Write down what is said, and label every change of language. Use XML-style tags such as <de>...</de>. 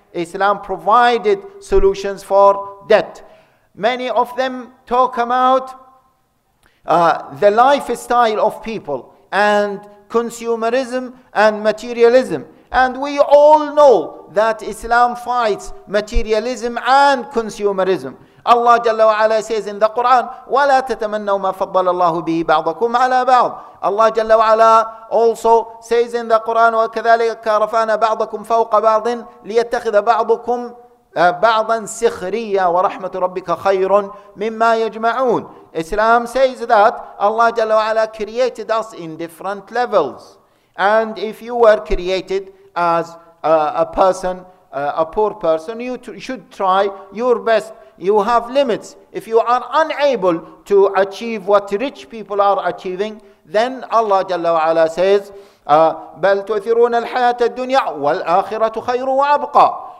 <en>Islam provided solutions for debt. Many of them talk about the lifestyle of people and consumerism and materialism. And we all know that Islam fights materialism and consumerism. Allah Jalla wa Ala says in the Quran,</en> <ar>وَلَا تَتَمَنَّوا مَا فَضَّلَ اللَّهُ بِهِ بَعْضَكُمْ عَلَى بَعْضٍ.</ar> <en>Allah Jalla wa Ala also says in the Quran,</en> <ar>وَكَذَلِكَ رَفَعْنَا بَعْضَكُمْ فَوْقَ بَعْضٍ لِيَتَّخِذَ بَعْضُكُمْ بَعْضًا سِخْرِيًّا وَرَحْمَةُ رَبِّكَ خَيْرٌ مِمَّا يَجْمَعُونَ.</ar> <en>Islam says that Allah Jalla wa Ala created us in different levels. And if you were created as a person, a poor person, you should try your best. You have limits. If you are unable to achieve what rich people are achieving, then Allah Jalla wa Ala says,</en> <ar>بَلْ تُؤْثِرُونَ الْحَيَاةَ الدُّنْيَا وَالْآخِرَةُ خَيْرٌ وَأَبْقَى.</ar>